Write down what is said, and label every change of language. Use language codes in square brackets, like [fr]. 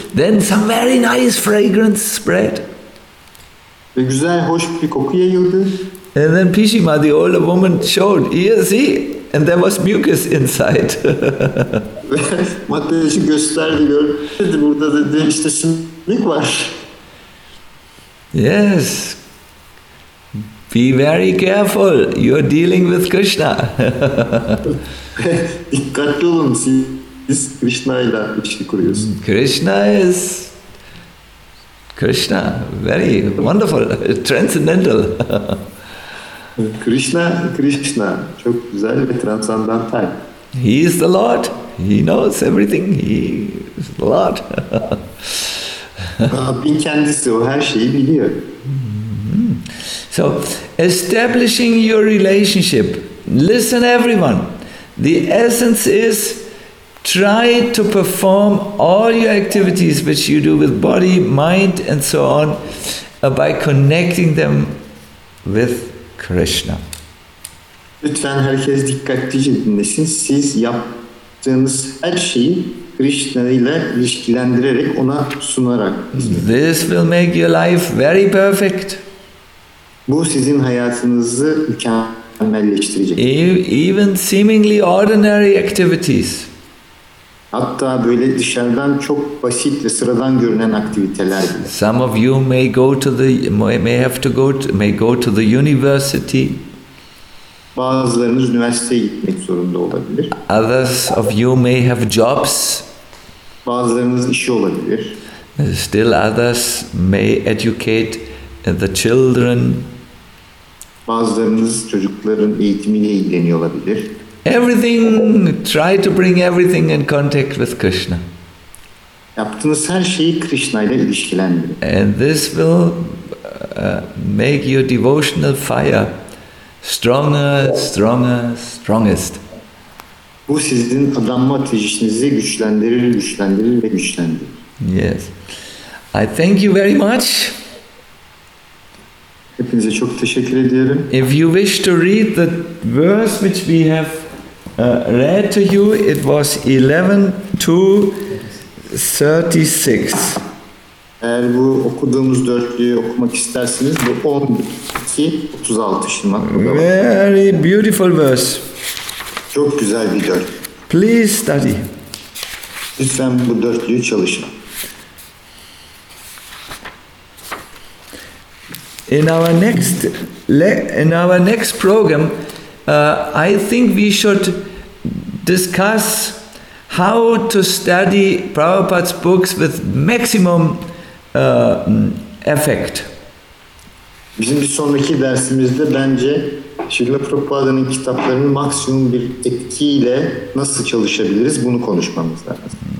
[en] Then some very nice fragrance spread. [tr] Ve güzel, hoş bir koku yayıldı. [en] And then Pishima, the older woman, showed, "Here, see? And there was mucus inside." [tr] Mataji gösterdi, gördü. Burada dedi, işte sümük var. [en] Yes. Be very careful. You're dealing with Krishna. [tr] Dikkatli olun. Siz Krishna ile ilişki kuruyorsunuz. [en] Krishna is Krishna. Very wonderful. Transcendental. [tr] Krishna, çok güzel ve transcendental. [en] He is the Lord. He knows everything. He is the Lord. [tr] Rabbin kendisi, o her şeyi biliyor. [en] So, establishing your relationship. Listen, everyone. The essence is try to perform all your activities which you do with body, mind and so on by connecting them with Krishna. [tr] Lütfen herkes dikkatlice dinlesin. Siz yaptığınız her şeyi Krishna ile ilişkilendirerek ona sunarak. [en] This will make your life very perfect. [tr] Bu sizin hayatınızı mükemmelleştirecek. [en] Even seemingly ordinary activities. [tr] Hatta böyle dışarıdan çok basit ve sıradan görünen aktiviteler bile. [en] Some of you may go to the may go to the university. [tr] Bazılarınız üniversiteye gitmek zorunda olabilir. [en] Others of you may have jobs. [tr] Bazılarınız işi olabilir. [en] Still others may educate the children. [tr] Bazılarınız çocukların eğitimiyle ilgileniyor olabilir. [en] Everything, try to bring everything in contact with Krishna. [tr] Yaptığınız her şeyi Krishna ile ilişkilendirin. [en] And this will make your devotional fire stronger, stronger, strongest. [tr] Bu sizin adanma ateşinizi güçlendirir, güçlendirir ve güçlendirir. [en] Yes. I thank you very much. [tr] Hepinize çok teşekkür ediyorum. [en] If you wish to read the verse which we have read to you, it was 11:2:36. [tr] Eğer bu okuduğumuz dörtlüğü okumak isterseniz bu 11:2:36 şimdi. [en] Very beautiful verse. [tr] Çok güzel bir dört. [en] Please study. [tr] Lütfen bu dörtlüğü çalışın. [en] In our next program, I think we should discuss how to study Prabhupada's books with maximum effect. [tr] Bizim bir sonraki dersimizde bence Şrila Prabhupada'nın kitaplarını maksimum bir etkiyle nasıl çalışabiliriz bunu konuşmamız lazım.